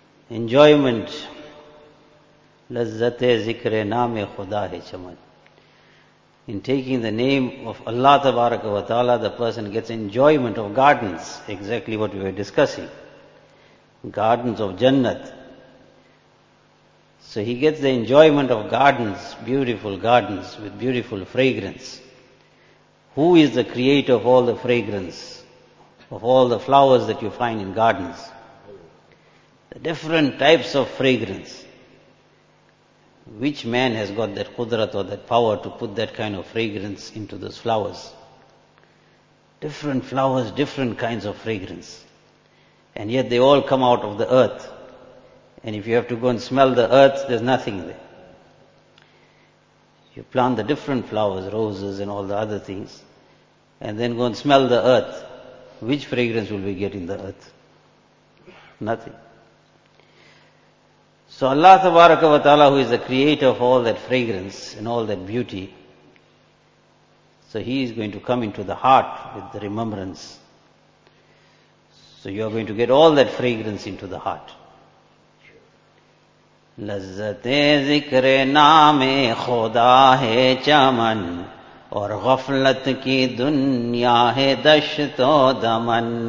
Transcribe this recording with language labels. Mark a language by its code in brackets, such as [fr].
[en] enjoyment [ur] لذت ذکر نام خدا ہے چمن [en] In taking the name of Allah تبارک و تعالیٰ the person gets enjoyment of gardens exactly what we are discussing gardens of Jannat so he gets the enjoyment of gardens beautiful gardens with beautiful fragrance Who is the creator of all the fragrance, of all the flowers that you find in gardens? The different types of fragrance. Which man has got that qudrat or that power to put that kind of fragrance into those flowers? Different flowers, different kinds of fragrance. And yet they all come out of the earth. And if you have to go and smell the earth, there's nothing there. You plant the different flowers, roses and all the other things, and then go and smell the earth. Which fragrance will we get in the earth? Nothing. So Allah Tabaraka wa Ta'ala, who is the creator of all that fragrance and all that beauty, so He is going to come into the heart with the remembrance. So you are going to get all that fragrance into the heart. [ur] لذت ذکر نام خدا ہے چمن اور غفلت کی دنیا ہے دشت و دمن